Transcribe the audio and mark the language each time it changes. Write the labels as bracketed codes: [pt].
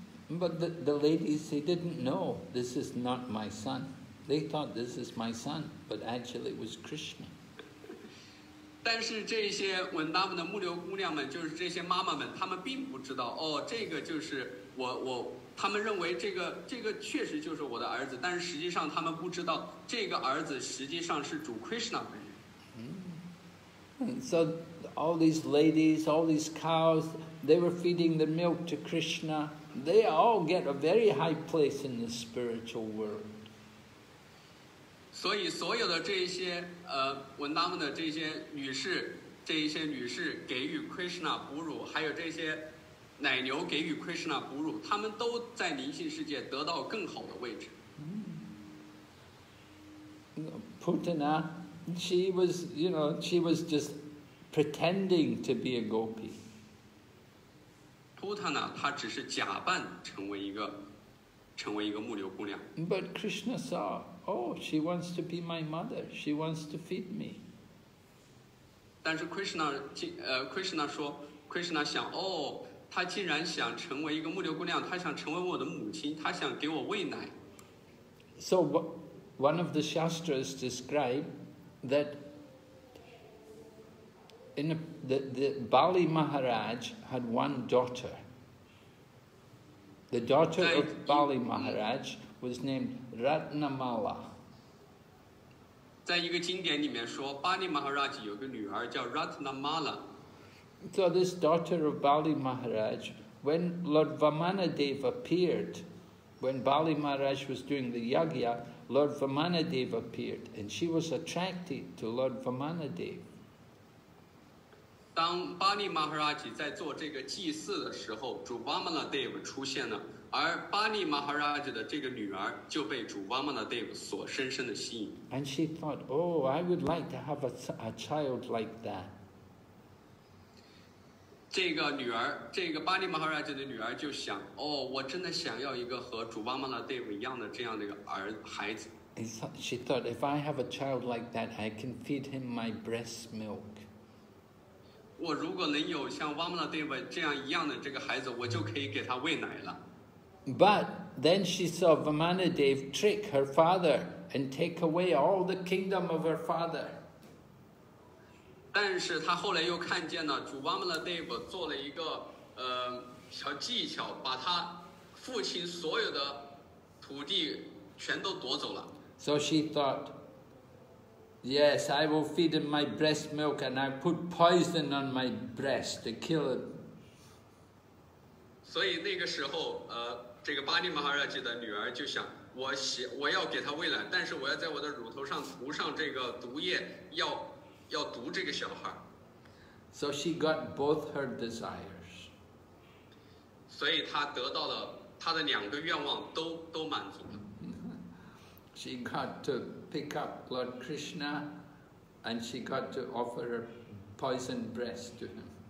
[en] But the ladies, they didn't know this is not my son. They thought this is my son, but actually it was Krishna. [zh] 但是这些文达们的牧牛姑娘们，就是这些妈妈们，她们并不知道哦，这个就是我。他们认为这个确实就是我的儿子，但是实际上他们不知道这个儿子实际上是主 Krishna 本人。 [en] So all these ladies, all these cows, they were feeding the milk to Krishna. They all get a very high place in the spiritual world. [zh] 所以所有的这些文达们的这些女士给予 Krishna 哺乳，还有这些。奶牛给予 Krishna 哺乳，他们都在灵性世界得到更好的位置。 [en] Putana, she was, you know, she was just pretending to be a gopi. [zh] Putana, 她只是假扮成为一个牧牛姑娘。 [en] But Krishna saw, oh, she wants to be my mother. She wants to feed me. [zh] 但是 Krishna 想，哦。他竟然想成为一个牧牛姑娘，他想成为我的母亲，他想给我喂奶。 [en] So one of the Shastras describe that in the Bali Maharaj had one daughter. The daughter of Bali Maharaj was named Ratnamala. [zh] 在一个经典里面说，巴利马哈拉吉有个女儿叫 Ratnamala。 [en] So this daughter of Bali Maharaj, when Lord Vamanadev appeared, when Bali Maharaj was doing the yagya, Lord Vamanadev appeared, and she was attracted to Lord Vamanadev. [zh] 当 Bali Maharaj 在做这个祭祀的时候，主 Vamanadev 出现了，而 Bali Maharaj 的这个女儿就被主 Vamanadev 所深深的吸引。 [en] And she thought, oh, I would like to have a child like that. [zh] 这个女儿，这个巴利马哈拉吉的女儿就想，哦，我真的想要一个和主巴曼拉戴夫一样的这样的一个孩子。 [en] She thought, if I have a child like that, I can feed him my breast milk. [zh] 我如果能有像巴曼拉戴夫这样一样的这个孩子，我就可以给他喂奶了。 [en] But then she saw Vamanadev trick her father and take away all the kingdom of her father. [zh] 但是他后来又看见了主 Vamanadev 做了一个小技巧，把他父亲所有的土地全都夺走了。 [en] So she thought, yes, I will feed him my breast milk and I put poison on my breast to kill him. [zh] 所以那个时候这个巴利马哈拉吉的女儿就想，我要给他喂奶，但是我要在我的乳头上涂上这个毒液，要毒这个小孩。 [en] So she got both her desires. [zh] 所以她得到了她的两个愿望都满足了。 [en] She got to pick up Lord Krishna and she got to offer her poisoned breast to him.